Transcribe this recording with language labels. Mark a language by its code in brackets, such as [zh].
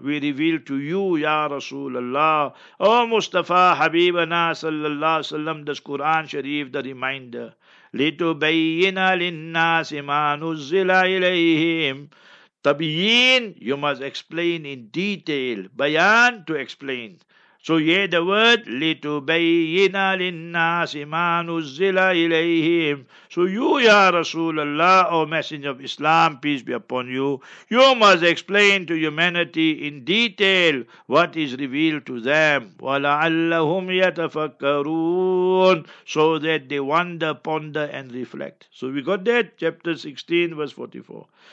[en] We reveal to you, Ya Rasulullah, O Mustafa Habibana sallallahu alaihi wasallam, this Quran Sharif, the reminder. [ar] لِتُبَيِّنَ لِلنَّاسِ مَا نُزِّلَ إِلَيْهِمْ. [en] Tabiyin, you must explain in detail. Bayan, to explain. So here the word, [ar] لِتُبَيِّنَ لِلنَّاسِ مَا نُزِّلَ إِلَيْهِمْ. [en] So you, Ya Rasulullah, O Messenger of Islam, peace be upon you, you must explain to humanity in detail what is revealed to them. [ar] وَلَعَلَّهُمْ يَتَفَكَّرُونَ. [en] So that they wonder, ponder, and reflect. So we got that, chapter 16, verse 44.